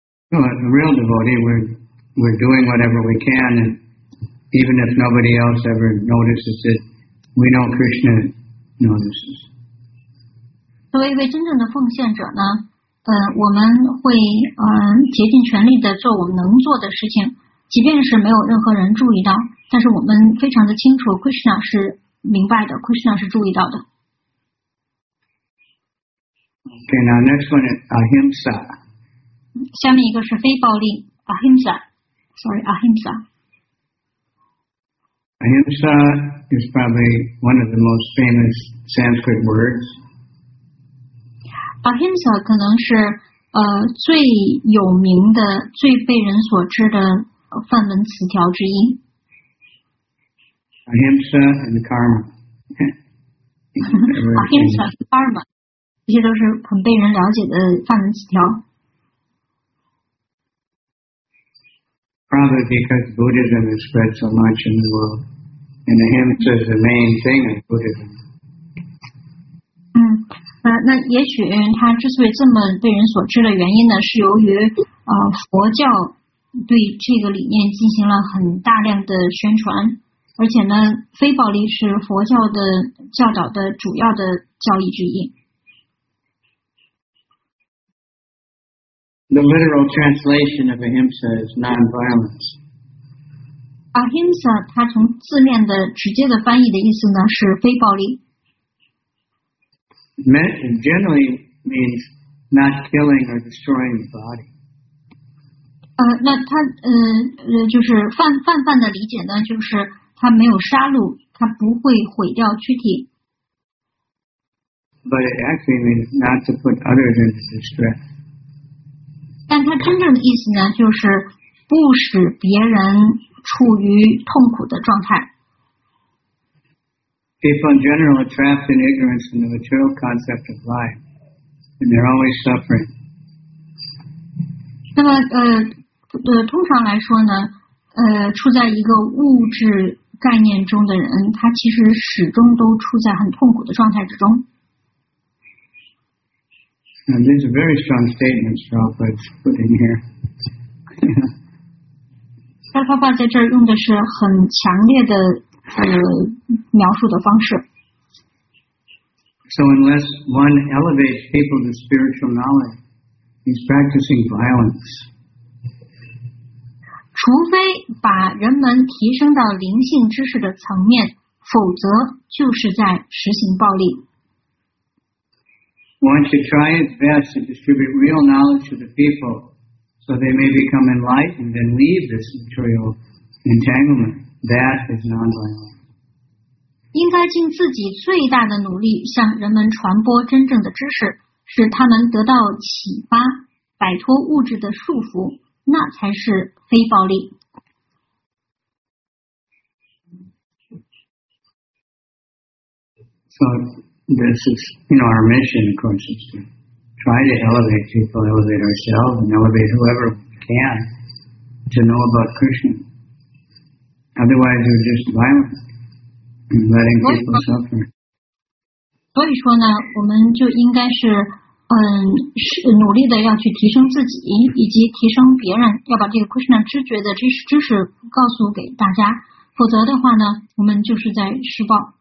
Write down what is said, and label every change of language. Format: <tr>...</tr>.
<en>No, as a real devotee, we're doing whatever we can, and even if nobody else ever notices it, we know Krishna notices.</en> <zh>作为一位真正的奉献者呢，我们会竭尽全力的做我们能做的事情，即便是没有任何人注意到，但是我们非常的清楚 ，Krishna 是明白的 ，Krishna 是注意到的。</zh> <en>Okay, now next one is ahimsa.</en> <zh>下面一个是非暴力 ，ahimsa.</zh> <en>Sorry, ahimsa. Ahimsa is probably one of the most famous Sanskrit words.</en> <zh>Ahimsa 可能是最有名的、最被人所知的梵文词条之一。</zh> <en>Ahimsa and karma. Ahimsa and karma，</en> <zh>这些都是很被人了解的梵文词条。</zh> <en>Probably because Buddhism is spread so much in the world, and ahimsa is the main thing of Buddhism.</en> <zh>那也许他之所以这么被人所知的原因呢，是由于佛教对这个理念进行了很大量的宣传，而且呢，非暴力是佛教的教导的主要的教义之一。</zh> <en>The literal translation of ahimsa is non-violence.</en> <zh>Ahimsa 它从字面的直接的翻译的意思呢是非暴力。</zh> <en>Generally means not killing or destroying the body.</en> <zh>那他就是泛的理解呢，就是他没有杀戮，他不会毁掉躯体。</zh> <en>But it actually means not to put others into distress.</en> <zh>但他真正的意思呢，就是不使别人处于痛苦的状态。</zh> <en>People in general are trapped in ignorance in the material concept of life, and they're always suffering.</en> <zh>那么通常来说呢，处在一个物质概念中的人，他其实始终都处在很痛苦的状态之中。</zh> <en>And these are very strong statements Prabhupada's putting here.</en> <zh>但爸爸在这儿用的是很强烈的。描述的方式。</zh> <en>So unless one elevates people to spiritual knowledge, he's practicing violence.</en> <zh>除非把人们提升到灵性知识的层面，否则就是在实行暴力。</zh> <en>One should try its best to distribute real knowledge to the people, so they may become enlightened and leave this material entanglement. That is non-violence.</en> <zh>应该尽自己最大的努力向人们传播真正的知识，使他们得到启发，摆脱物质的束缚，那才是非暴力。</zh> <en>So this is, you know, our mission, of course, is to try to elevate people, elevate ourselves, and elevate whoever can to know about Krishna. Otherwise, you're just violent and letting people suffer.</en> <zh>所以说呢，我们就应该是是努力的要去提升自己以及提升别人，要把这个 Krishna 知觉的知识告诉给大家，否则的话呢，我们就是在施暴。</zh>